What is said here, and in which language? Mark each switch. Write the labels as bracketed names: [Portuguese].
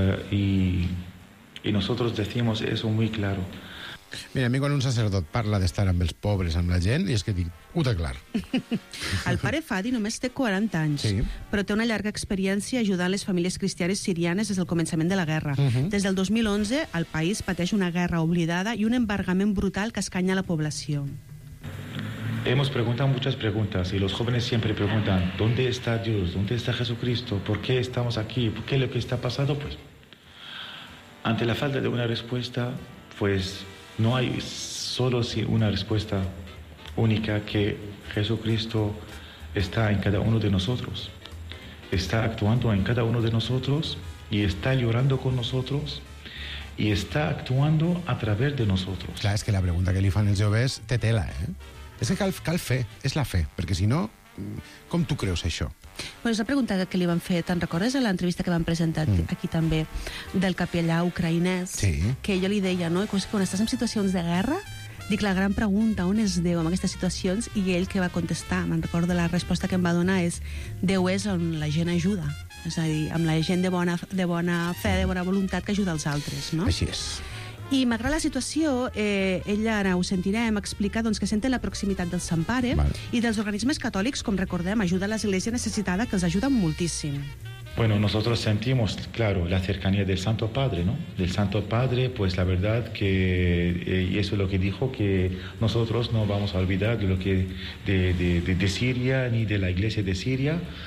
[Spanish] Y nosotros decimos eso muy claro. [Catalan] Mira, a mi quan un sacerdot parla d'estar amb els pobres, amb la gent, i és que dic, ho té clar. El pare Fadi només té 40 anys, però té una llarga experiència ajudant les famílies cristianes sirianes des del començament de la guerra. Des del 2011, el país pateix una guerra oblidada i un embargament brutal que escanya la població. [Spanish] Hemos preguntado muchas preguntas y los jóvenes siempre preguntan, ¿dónde está Dios? ¿Dónde está Jesucristo? ¿Por qué estamos aquí? ¿Por qué lo que está pasando? Pues, ante la falta de una respuesta, pues... No hay solo una respuesta única, que Jesucristo está en cada uno de nosotros, está actuando en cada uno de nosotros y está llorando con nosotros y está actuando a través de nosotros. [Catalan] Clar, és que la pregunta que li fan els joves té tela, eh? És que cal fe, és la fe, perquè si no, com tu creus això? Pues la pregunta que li van fer, te'n recordes, a l'entrevista que van presentar aquí també, del capellà ucraïnès, que jo li deia, no? Quan estàs en situacions de guerra, dic la gran pregunta, on és Déu en aquestes situacions? I ell que va contestar, me'n recordo la resposta que em va donar, és Déu és on la gent ajuda. És a dir, amb la gent de bona fe, de bona voluntat, que ajuda els altres, no? Així és. I malgrat la situació, ella, ara ho sentirem, explica doncs, que senten la proximitat del Sant Pare i dels organismes catòlics, com recordem, ajuda a l'Església necessitada, que els ajuda moltíssim. [Spanish] Bueno, nosotros sentimos, claro, la cercanía del Santo Padre, ¿no? Del Santo Padre, pues la verdad que... y eso es lo que dijo, que nosotros no vamos a olvidar de lo que... de Siria, ni de la Iglesia de Siria.